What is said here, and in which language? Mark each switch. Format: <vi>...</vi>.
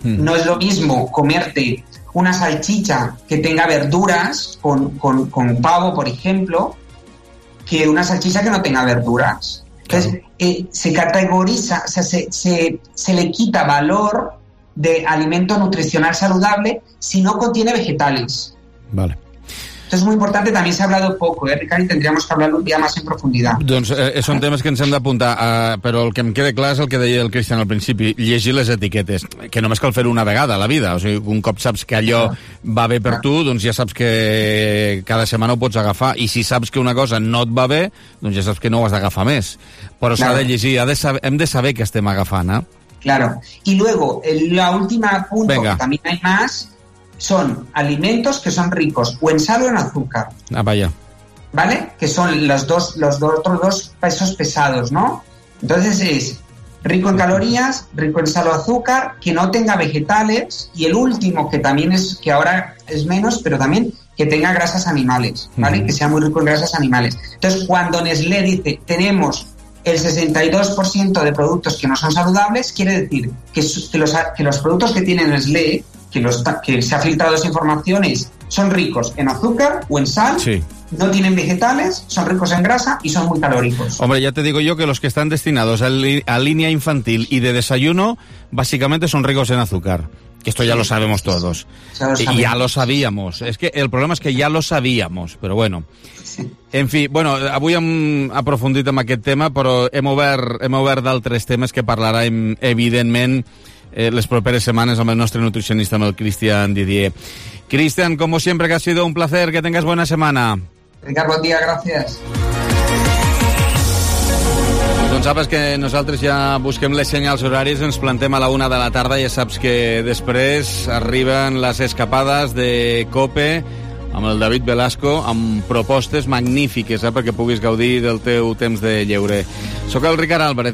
<es>No es lo mismo comerte una salchicha que tenga verduras, con pavo, por ejemplo, que una salchicha que no tenga verduras. Entonces, se categoriza, o sea, se le quita valor de alimento nutricional saludable si no contiene vegetales. Vale. Entonces, es muy importante, también se ha hablado poco, Ricardo, y tendríamos que hablarlo un día más en profundidad.</es> <ca>Doncs, són temes que ens hem d'apuntar, però el que em queda clar és el que deia el Cristian al principi, llegir les etiquetes, que només cal fer-ho una vegada a la vida, o sigui, un cop saps que allò va bé per tu, doncs ja saps que cada setmana ho pots agafar, i si saps que una cosa no et va bé, doncs ja saps que no ho has d'agafar més. Però s'ha de llegir, hem de saber què estem agafant, eh?</ca> <es>Claro. Y luego, la última punto, que también hay más, son alimentos que son ricos o en sal o en azúcar. Ah, vaya. ¿Vale? Que son los otros dos pesos pesados, ¿no? Entonces es rico en calorías, rico en sal o azúcar, que no tenga vegetales, y el último, que también es, que ahora es menos, pero también que tenga grasas animales, ¿vale? Uh-huh. Que sea muy rico en grasas animales. Entonces, cuando Nestlé dice, tenemos el 62% de productos que no son saludables, quiere decir que los productos que tiene Nestlé, que se ha filtrado esa información, son ricos en azúcar o en sal, sí. No tienen vegetales, son ricos en grasa y son muy calóricos. Hombre, ya te digo yo que los que están destinados a línea infantil y de desayuno, básicamente son ricos en azúcar. Que esto ya lo sabemos todos. Ya lo sabíamos. Es que el problema es que ya lo sabíamos, pero bueno.</es> <ca>En fi, bueno, avui hem aprofundit en aquest tema, però hem obert d'altres temes que parlarem, evidentment, les properes setmanes amb el nostre nutricionista, amb el Cristian Didier.</ca> <es>Cristian, como siempre, que ha sido un placer, que tengas buena semana.</es> <ca>Ricard, bon dia, gràcies. Doncs saps que nosaltres ja busquem les senyals horàries, ens plantem a la 1 de la tarda, ja saps que després arriben les escapades de COPE amb el David Velasco, amb propostes magnífiques, perquè puguis gaudir del teu temps de lleure. Soc el Ricard Álvarez.</ca>